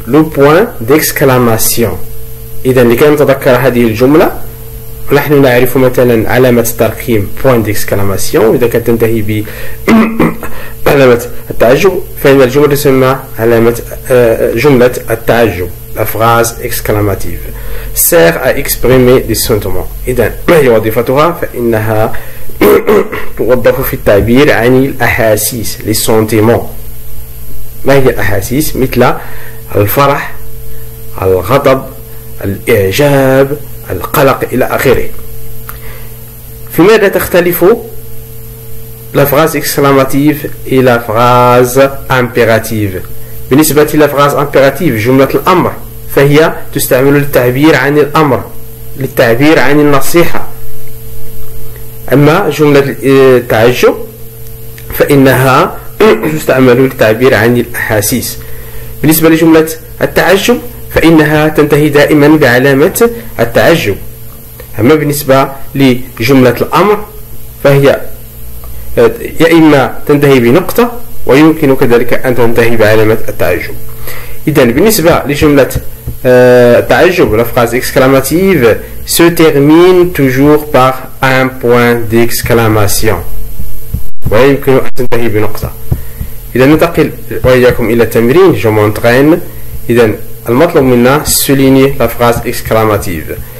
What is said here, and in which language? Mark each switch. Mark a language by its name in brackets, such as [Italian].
[French] Le point d'exclamation. [Arabic] إذن لكي نتذكر هذه الجملة، نحن نعرف مثلا علامة الترقيم point d'exclamation، إذا كانت تنتهي ب علامة التعجب فإن الجملة تسمى علامة جملة التعجب. [French] La phrase exclamative sert à exprimer des sentiments. [Arabic] إذن ما هي وظيفتها؟ فإنها توظف في التعبير عن الأحاسيس لي سونتيمون. ما هي الأحاسيس؟ مثل الفرح، الغضب، الإعجاب، القلق إلى آخره. في ماذا تختلف لفغاز إكسلاماتيف إلى فغاز أمبيراتيف؟ بالنسبة لفغاز أمبيراتيف جملة الأمر، فهي تستعمل للتعبير عن الأمر، للتعبير عن النصيحة. أما جملة التعجب فإنها تستعمل للتعبير عن الأحاسيس. بالنسبة لجملة التعجب فإنها تنتهي دائما بعلامة التعجب. أما بالنسبة لجملة الأمر فهي يا إما تنتهي بنقطة، ويمكن كذلك أن تنتهي بعلامة التعجب. إذن بالنسبة لجملة التعجب الفراز إكسكلاماتيف [French] se termine toujours par un point d'exclamation. [Arabic] ويمكن أن تنتهي بنقطة. إذن ننتقل وإياكم إلى التمرين. [French] Je m'entraîne. [Arabic] إذن المطلوب منا [French] souligner la phrase exclamative.